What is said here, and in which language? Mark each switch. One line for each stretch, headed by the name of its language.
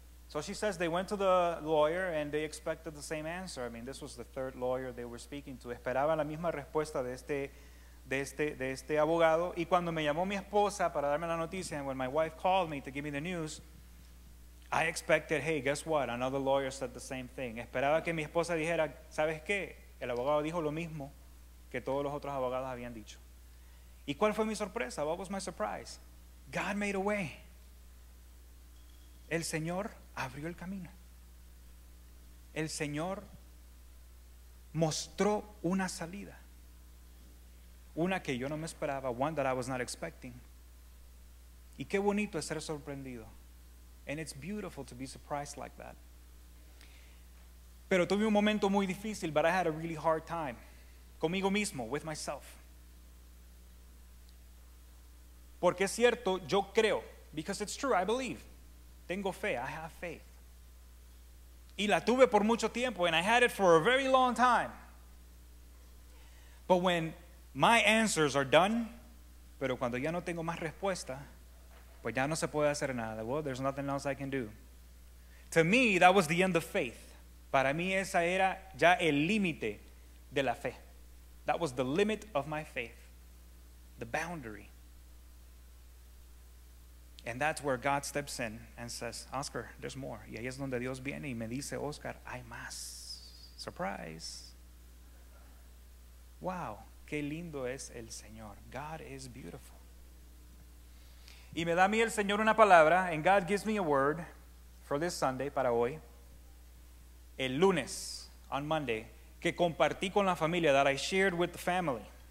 English: So she says they went to the lawyer and they expected the same answer. I mean, this was the third lawyer they were speaking to.
Spanish: Esperaban la misma respuesta de este abogado. Y cuando me llamó mi esposa para darme la noticia,
English: and when my wife called me to give me the news, I expected, hey, guess what, another lawyer said the same thing.
Spanish: Esperaba que mi esposa dijera, ¿sabes qué? El abogado dijo lo mismo que todos los otros abogados habían dicho. ¿Y cuál fue mi sorpresa?
English: What was my surprise? God made a way.
Spanish: El Señor abrió el camino. El Señor mostró una salida. Una que yo no me esperaba,
English: one that I was not expecting.
Spanish: Y qué bonito es ser sorprendido.
English: And it's beautiful to be surprised like that.
Spanish: Pero tuve un momento muy difícil,
English: but I had a really hard time.
Spanish: Conmigo mismo,
English: with myself.
Spanish: Porque es cierto, yo creo.
English: Because it's true, I believe.
Spanish: Tengo fe,
English: I have faith.
Spanish: Y la tuve por mucho tiempo,
English: and I had it for a very long time. But when my answers are done,
Spanish: pero cuando ya no tengo más respuesta, pues ya no se puede hacer nada.
English: Well, there's nothing else I can do. To me, that was the end of faith.
Spanish: Para mí, esa era ya el límite de la fe.
English: That was the limit of my faith, the boundary. And that's where God steps in and says, Oscar, there's more.
Spanish: Y ahí es donde Dios viene y me dice, Oscar, hay más.
English: Surprise. Wow.
Spanish: Qué lindo es el Señor.
English: God is beautiful.
Spanish: Y me da a mí el Señor una palabra,
English: and God gives me a word for this Sunday,
Spanish: para hoy, el lunes,
English: on Monday,
Spanish: que compartí con la familia,
English: that I shared with the family.